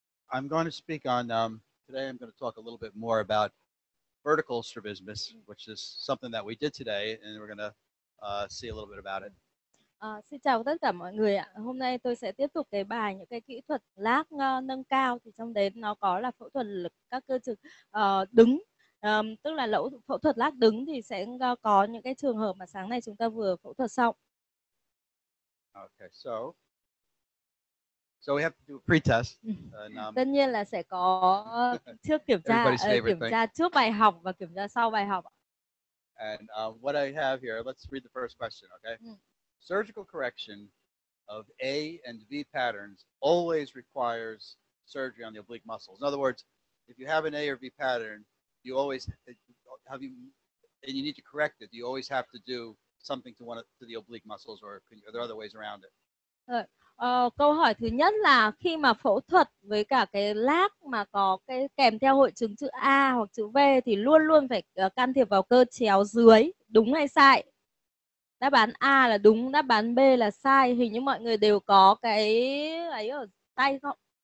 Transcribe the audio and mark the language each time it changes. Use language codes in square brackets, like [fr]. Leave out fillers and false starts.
[en] I'm going to speak on, today I'm going to talk a little bit more about vertical strabismus, which is something that we did today, and we're going to see a little bit about it. [vi] Xin chào tất cả mọi người ạ. Hôm nay tôi sẽ tiếp tục cái bài những cái kỹ thuật lác nâng cao, thì trong đấy nó có là phẫu thuật lực các cơ trực đứng. Tức là lẫu phẫu thuật lác đứng thì sẽ có những cái trường hợp mà sáng nay chúng ta vừa phẫu thuật xong. [en] Okay, so we have to do a pretest. [vi] Tất nhiên là sẽ có trước kiểm tra, kiểm tra trước bài học và kiểm tra sau bài học. [en] And what I have here, let's read the first question, okay? Surgical correction of A and V patterns always requires surgery on the oblique muscles. In other words, if you have an A or V pattern, you always have and you need to correct it. You always have to do something to to the oblique muscles, or are there other ways around it? [vi] Câu hỏi thứ nhất là khi mà phẫu thuật với cả cái lác mà có cái kèm theo hội chứng chữ A hoặc chữ V thì luôn luôn phải can thiệp vào cơ chéo dưới, đúng hay sai? Đáp án A là đúng, đáp án B là sai. Hình như mọi người đều có cái ấy ở tay không?